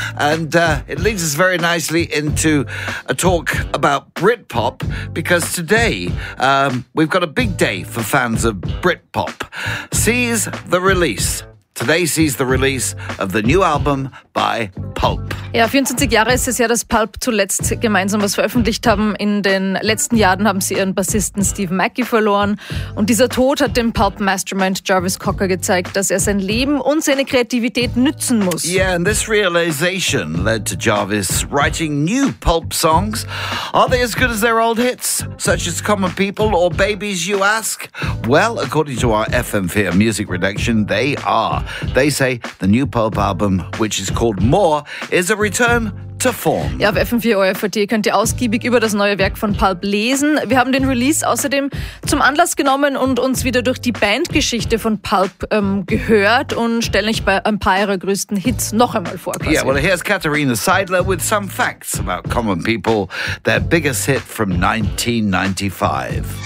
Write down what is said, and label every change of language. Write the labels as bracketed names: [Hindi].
[English] And it leads us very nicely into a talk about Britpop, because today we've got a big day for fans of Britpop. Sees the release. Today sees the release of the new album by Pulp. [German] Ja, 24 Jahre ist es ja, dass Pulp zuletzt gemeinsam was veröffentlicht haben. In den letzten Jahren haben sie ihren Bassisten Steve Mackey verloren. Und dieser Tod hat dem Pulp-Mastermind Jarvis Cocker gezeigt, dass er sein Leben und seine Kreativität nützen muss. [English] Yeah, and this realization led to Jarvis writing new Pulp songs. Are they as good as their old hits, such as Common People or Babies, you ask? Well, according to our FM Fear Music Redaction, they are. They say the new Pulp album, which is called More, is a return to form. [German] Ja, auf FM4ORF.at könnt ihr ausgiebig über das neue Werk von Pulp lesen. Wir haben den Release außerdem zum Anlass genommen und uns wieder durch die Bandgeschichte von Pulp gehört und stellen euch bei ein paar ihrer größten Hits noch einmal vor. Quasi. [English] Yeah, well, here's Katharina Seidler with some facts about Common People, their biggest hit from 1995.